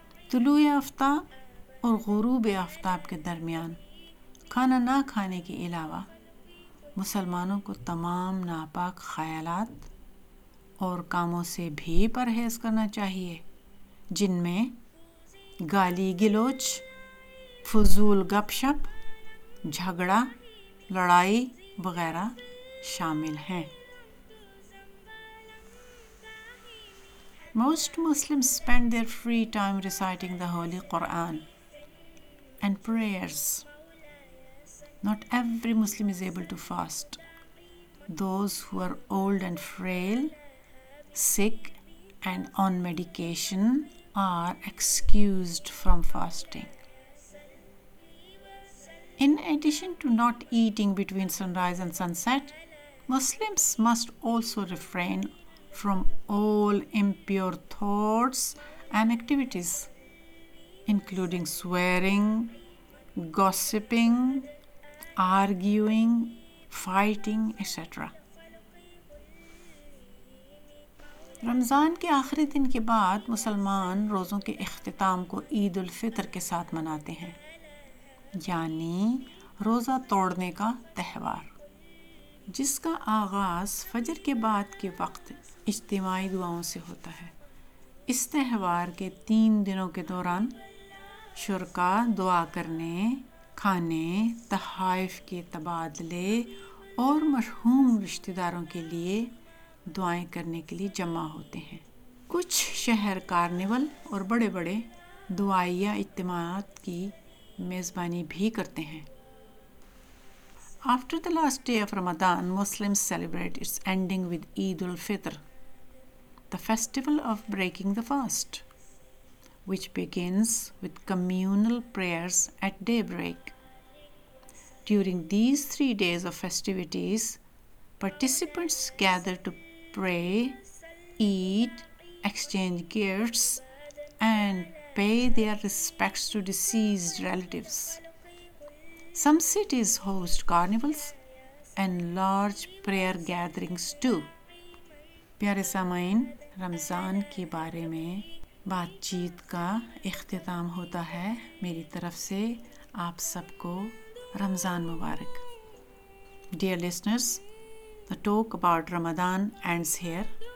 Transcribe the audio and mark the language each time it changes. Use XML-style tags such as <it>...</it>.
<ur>طلوع آفتاب اور غروب آفتاب کے درمیان کھانا نہ کھانے کے علاوہ مسلمانوں کو تمام ناپاک خیالات اور کاموں سے بھی پرہیز کرنا چاہیے, جن میں گالی گلوچ, فضول گپ شپ, جھگڑا, لڑائی وغیرہ شامل ہیں.</ur> <en>Most Muslims spend their free time reciting the Holy Quran and prayers. Not every Muslim is able to fast. Those who are old and frail, sick and on medication are excused from fasting. In addition to not eating between sunrise and sunset, Muslims must also refrain from all impure thoughts and activities, including swearing, gossiping, arguing, fighting, etc.</en> <ur>رمضان کے آخری دن کے بعد مسلمان روزوں کے اختتام کو عید الفطر کے ساتھ مناتے ہیں, یعنی روزہ توڑنے کا تہوار, جس کا آغاز فجر کے بعد کے وقت اجتماعی دعاؤں سے ہوتا ہے. اس تہوار کے 3 دنوں کے دوران شرکا دعا کرنے, کھانے, تحائف کے تبادلے اور مرحوم رشتہ داروں کے لیے دعائیں کرنے کے لیے جمع ہوتے ہیں. کچھ شہر کارنیول اور بڑے بڑے دعائیہ اجتماعات کی میزبانی بھی کرتے ہیں.</ur> <en>After the last day of Ramadan, Muslims celebrate its ending with Eid al-Fitr, the festival of breaking the fast, which begins with communal prayers at daybreak. During these 3 days of festivities, participants gather to pray, eat, exchange gifts, and pay their respects to deceased relatives. Some cities host carnivals and large prayer gatherings too.</en> <ur>پیارے سامعین, رمضان کے بارے میں بات چیت کا اختتام ہوتا ہے. میری طرف سے آپ سب کو رمضان مبارک.</ur> <en>Dear listeners, the talk about Ramadan ends here.</en>